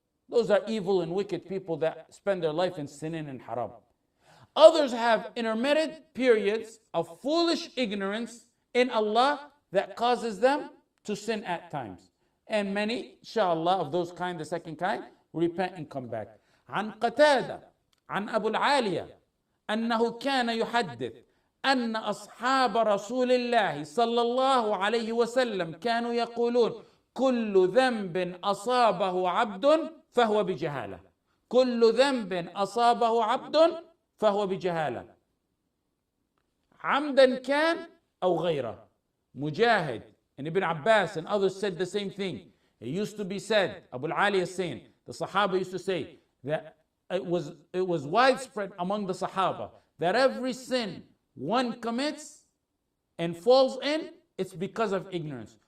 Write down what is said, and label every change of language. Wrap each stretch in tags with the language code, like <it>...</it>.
<en>Those are evil and wicked people that spend their life in sinin and haram. Others have intermittent periods of foolish ignorance in Allah that causes them to sin at times. And many, inshallah, of those kind, the second kind, repent and come back.</en> <ar>عن قتادة عن أبو العالية أنه كان يحدث أن أصحاب رسول الله صلى الله عليه وسلم كانوا يقولون كل ذنب أصابه عبد فهو بجهالة. كل ذنب أصابه عبد فهو بجهالة. عمدا كان أو غيره.</ar> <en>مجاهد and Ibn Abbas and others said the same thing. It used to be said, Abu al-Ali is saying, the Sahaba used to say that it was widespread among the Sahaba that every sin one commits and falls in, it's because of ignorance.</en>